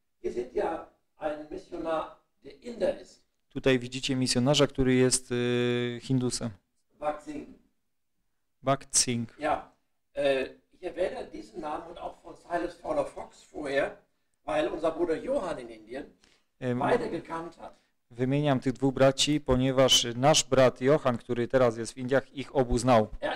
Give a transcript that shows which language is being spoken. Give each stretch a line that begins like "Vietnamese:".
German: Hier seht ihr einen Missionar, der Inder ist.
Polish: Tutaj widzicie misjonarza, który jest Hindusem.
German: Bhakt Singh. Ja, ich erwähne diesen Namen und auch von Silas Fowler Fox vorher, weil unser Bruder Johann in Indien beide gekannt hat.
Polish: Wymieniam tych dwóch braci, ponieważ nasz brat Johann, który teraz jest w Indiach, ich obu znał.